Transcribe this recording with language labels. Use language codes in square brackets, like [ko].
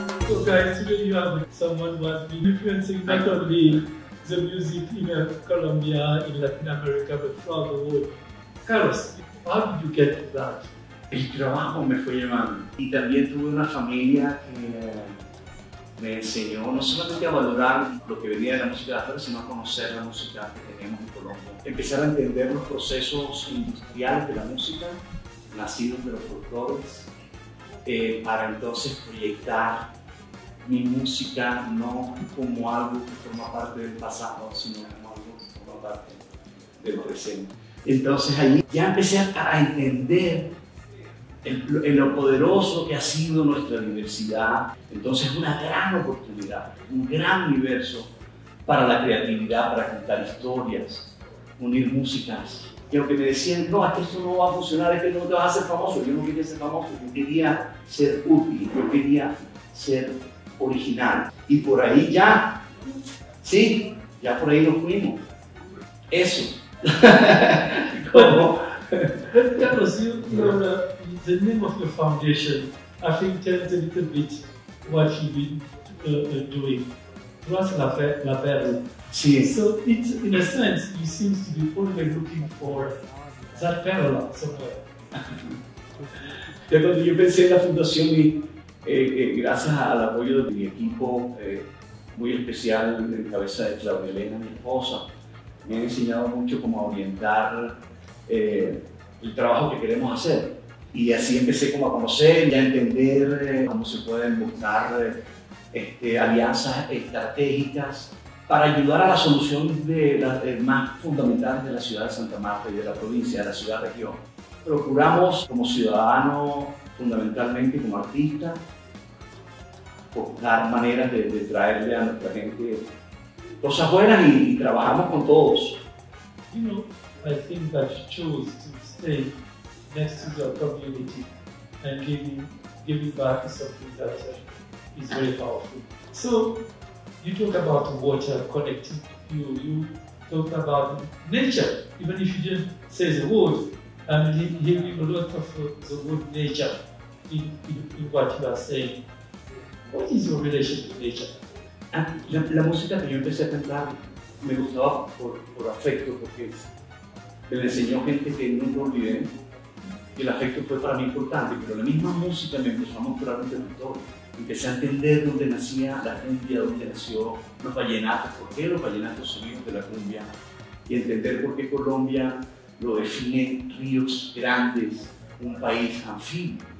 [en] Okay. actually you have someone who has been influencing not only the music in Colombia, in Latin America, but throughout the world. Carlos, how did you get to that? [es] El trabajo me fue llevando. Y también tuve una familia que me enseñó no solamente a valorar lo que venía de la música de afuera, sino a conocer la música que tenemos en Colombia. Empezar a entender los procesos industriales de la música, nacidos de los folclores, para entonces proyectar mi música no como algo que forma parte del pasado, sino como algo que forma parte del presente. Entonces ahí ya empecé a entender lo poderoso que ha sido nuestra diversidad. Entonces una gran oportunidad, un gran universo para la creatividad, para contar historias, unir músicas. Que lo que me decían, no, es que esto no va a funcionar, es que no te vas a hacer famoso. Yo no quería ser famoso, yo quería ser útil, yo quería ser original. Y por ahí ya, sí, ya por ahí nos fuimos. Eso. ¿Cómo? [en] Carlos, the name of your foundation, I think, tells a little bit what you've been doing. [es] Trust la Belle. Sí. [en] So it's, in a sense, you seem to be always looking for that parallel somewhere. [es] Yo cuando yo pensé en la fundación y gracias al apoyo de mi equipo muy especial en cabeza de Claudia Elena, mi esposa, me han enseñado mucho cómo orientar el trabajo que queremos hacer. Y así empecé como a conocer y a entender cómo se pueden buscar alianzas estratégicas para ayudar a la solución de las más fundamentales de la ciudad de Santa Marta y de la provincia, de la ciudad región. Procuramos como ciudadano, fundamentalmente como artista, buscar maneras de traerle a nuestra gente cosas buenas y trabajamos con todos. [en] You know, I think that you choose to stay next to your community and giving back is something that is very powerful. So, you talk about water connecting you, you talk about nature, even if you didn't say the word, I'm hearing a lot of the word nature in what you are saying. What is your relation to nature? [es] La música que yo empecé a cantar me gustaba por afecto, porque me enseñó gente que nunca olvidé. El afecto fue para mí importante, pero la misma música me empezó a mostrar un territorio. Empecé a entender dónde nacía la cumbia, dónde nació los vallenatos, por qué los vallenatos son hijos de la cumbia, y entender por qué Colombia lo define ríos grandes, un país anfibio.